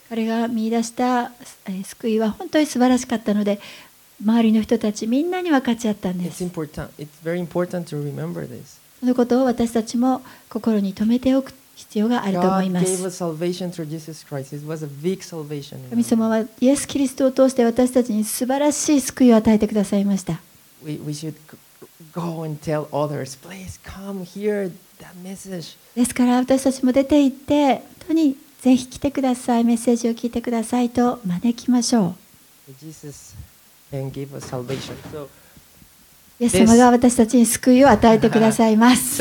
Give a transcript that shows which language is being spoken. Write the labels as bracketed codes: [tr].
[ja] 彼が見出した救いは本当に素晴らしかったので周りの人たちみんなに分かち合ったんです。 [en] It's important. It's very important to remember this. [ja] そのことを私たちも心に留めておく必要があると思います。 [en] God gave us salvation through Jesus Christ. It was a big salvation. [ja] 神様はイエス・キリストを通して私たちに素晴らしい救いを与えてくださいました。 [en] We should go and tell others, please come hear that message. [ja] ですから私たちも出て行って本当にぜひ来てください、メッセージを聞いてくださいと招きましょう。 [en] Jesus can give us salvation. So, [ja] イエス様が私たちに救いを与えてくださいます。